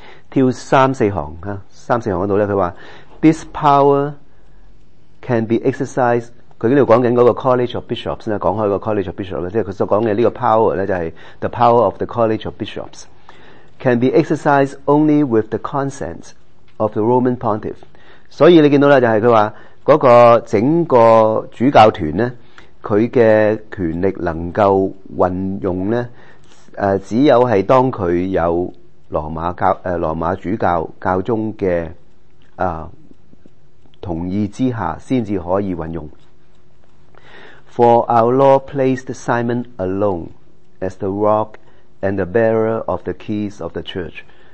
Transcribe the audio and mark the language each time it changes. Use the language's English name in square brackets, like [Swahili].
[Cantonese] 跳三四行吓，三四行嗰度咧，佢话 [English] this power can be exercised。 [Cantonese] 佢呢度讲紧嗰个 College of Bishops 咧，讲开个 College of Bishops 咧，即系佢所讲嘅呢个 power 咧，就系 [English] the power of the College of Bishops。 Can be exercised only with the consent of the Roman Pontiff. [Cantonese] 所以你见到咧，就系佢话嗰个整个主教团咧，佢嘅权力能够运用咧，只有系当佢有罗马教罗马主教教宗嘅同意之下，先至可以运用。 [English] For our Lord placed Simon alone as the rock. And the bearer of the keys of the church.